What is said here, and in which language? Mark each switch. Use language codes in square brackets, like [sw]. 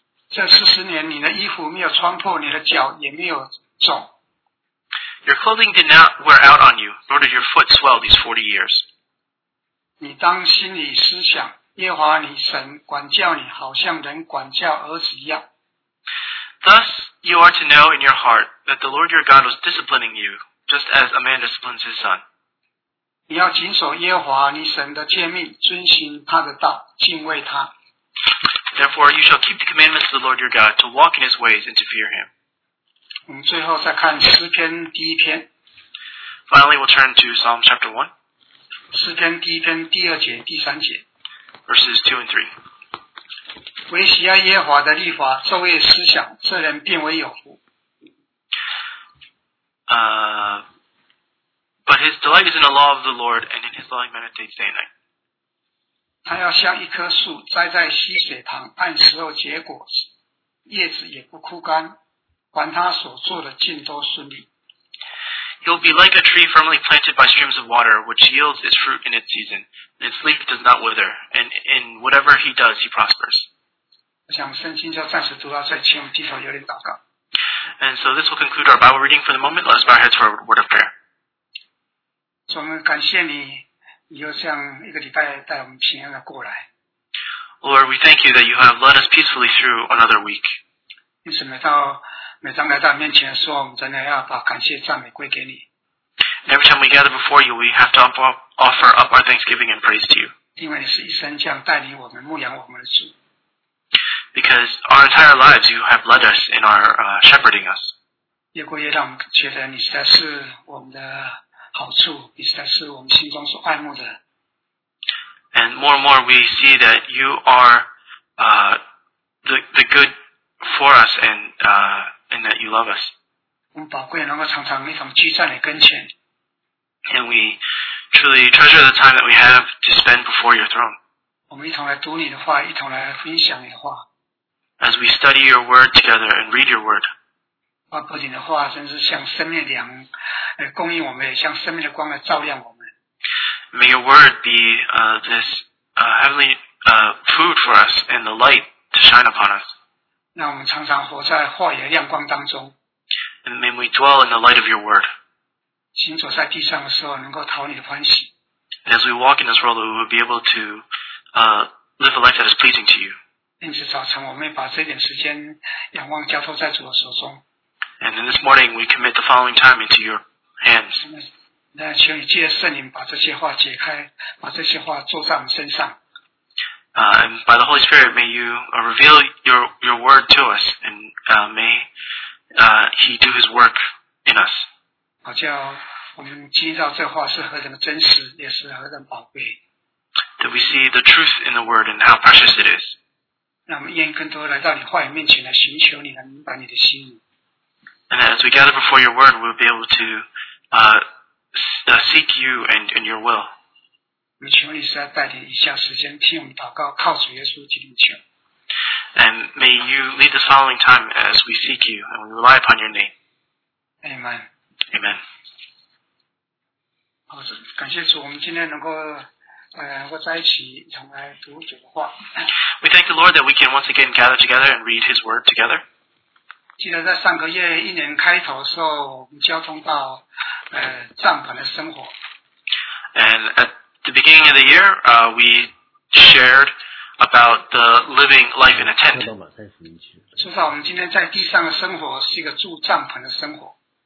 [zh] 这四十年，你的衣服没有穿破，你的脚也没有肿。 [en] Your clothing did not wear out on you, nor did your foot swell these 40 years. [zh] 你当心里思想，耶和华你神管教你，好像人管教儿子一样。 [en] Thus, you are to know in your heart that the Lord your God was disciplining you, just as a man disciplines his son. [zh] 你要谨守耶和华你神的诫命，遵行他的道，敬畏他。 [en] Therefore, you shall keep the commandments of the Lord your God to walk in his ways and to fear him. [zh] 我们最后再看诗篇第一篇。 [en] Finally, we'll turn to Psalm chapter 1. [zh] 诗篇第一篇第二节第三节。 [en] Verses 2 and 3. [zh] 唯喜爱耶和华的律法，昼夜思想，这人变为有福。 [en] But his delight is in the law of the Lord, and in his law he meditates day and night. [zh] 他要像一棵树栽在溪水旁，按时候结果子，叶子也不枯干，管他所做的尽都顺利。 [en] He'll be like a tree firmly planted by streams of water, which yields its fruit in its season. Its leaf does not wither, and in whatever he does, he prospers. [zh] 我想圣经就暂时读到这，请我们低头有点祷告。 [en] And so this will conclude our Bible reading for the moment. Let's bow our heads for a word of prayer. [zh] 我们感谢你，你就这样一个礼拜带我们平安的过来。 [en] Lord, we thank you that you have led us peacefully through another week. [zh] 因此每当来到面前的时候，我们真的要把感谢赞美归给你。 [en] Every time we gather before you, we have to offer up our thanksgiving and praise to you. [zh] 因为你是一生这样带领我们、牧养我们的主。 [en] Because our entire lives, you have led us and are shepherding us. [zh] 越过越让我们觉得你实在是我们的好处，你实在是我们心中所爱慕的。 [en] And more and more, we see that you are the good for us and and that you love us. [zh] 我们宝贵能够常常一同聚在你跟前。 [en] And we truly treasure the time that we have to spend before your throne. [zh] 我们一同来读你的话，一同来分享你的话。 [en] As we study your word together and read your word. [zh] 把不仅的话，真是像生命粮，供应我们，也像生命的光来照亮我们。 [en] May your word be this heavenly food for us and the light to shine upon us. [zh] 让我们常常活在话语的亮光当中。 [en] And may we dwell in the light of your word. [zh] 行走在地上的时候能够讨你的欢喜。 [en] And as we walk in this world, we will be able to live a life that is pleasing to you. [zh] 因此早晨我们把这点时间仰望交托在主的手中。 [en] And in this morning, we commit the following time into your hands. [zh] 那求你借着圣灵把这些话解开，把这些话做在我们身上。 [en] And by the Holy Spirit, may you reveal your word to us, and may he do his work in us. [zh] 好叫我们知道这话是何等真实，也是何等宝贵。 [en] That we see the truth in the word and how precious it is. [zh] 让我们愿意更多来到你话语面前来寻求你，来明白你的心意。 [en] And as we gather before your word, we'll be able to seek you and your will. [zh] 我们求你实在带领一下时间听我们祷告，靠主耶稣基督求。 [en] And may you lead the following time as we seek you and we rely upon your name. Amen. Amen. [zh] 好，感谢主，我们今天能够在一起同来读主的话。 [en] We thank the Lord that we can once again gather together and read His word together. [zh] 记得在上个月一年开头的时候，我们交通到帐篷的生活。 [en] And at the beginning of the year, we shared about the living life in a tent. [zh] 至少我们今天在地上的生活是一个住帐篷的生活。